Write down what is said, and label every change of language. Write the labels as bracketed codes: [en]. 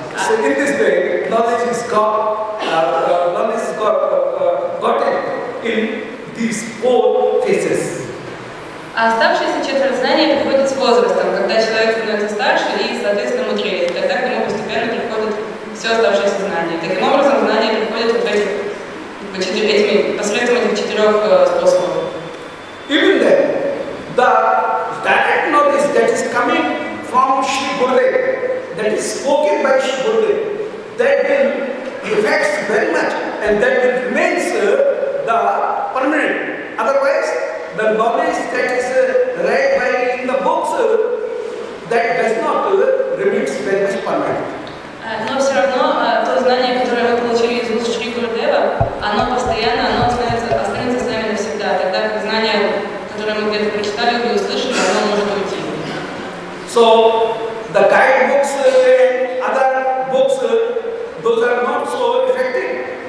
[en] So in this way, knowledge is got, gotten in these four phases. [ru] А оставшиеся четверть знания приходит с возрастом, когда человек становится старше и, соответственно, мудрее. Тогда к нему постепенно приходит все оставшееся знание. Таким образом, знание приходит вот этими, посредством этих четырех способов. [en] Even then, the direct knowledge that is coming from Shri Gurudev, that is spoken by Shri Gurudev, that will He affects very much, and that remains the permanent. Otherwise, the knowledge that is read by in the books, that does not remain very much permanent. [ru] Но все равно то знание, которое вы получили из уст Шри Гурудева, оно постоянно, оно останется с нами навсегда. Тогда как знание, которое мы где-то прочитали или услышали, оно может уйти. [en] So the guide books and other books, those are not so effective.